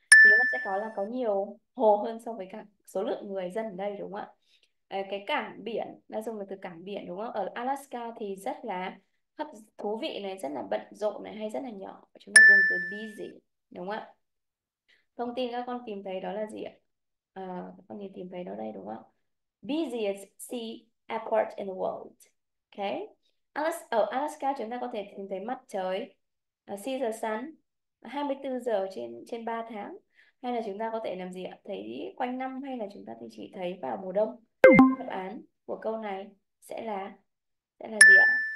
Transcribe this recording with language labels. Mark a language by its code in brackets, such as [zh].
[vi] Thì nó sẽ có là có nhiều hồ hơn so với cả số lượng người dân ở đây, đúng không ạ? Cái cảng biển, đã dùng là từ cảng biển đúng không? Ở Alaska thì rất là thú vị này, rất là bận rộn này, hay rất là nhỏ. Chúng ta dùng từ busy, đúng không ạ? Thông tin các con tìm thấy đó là gì ạ? Các con nhìn tìm thấy đó đây đúng không? [en] Busiest sea airport in the world. Okay. [vi] Ở Alaska chúng ta có thể tìm thấy mặt trời, [en] see the sun [vi] 24 giờ trên trên 3 tháng. Hay là chúng ta có thể làm gì ạ? Thấy quanh năm hay là chúng ta thì chỉ thấy vào mùa đông? Đáp án của câu này sẽ là gì ạ?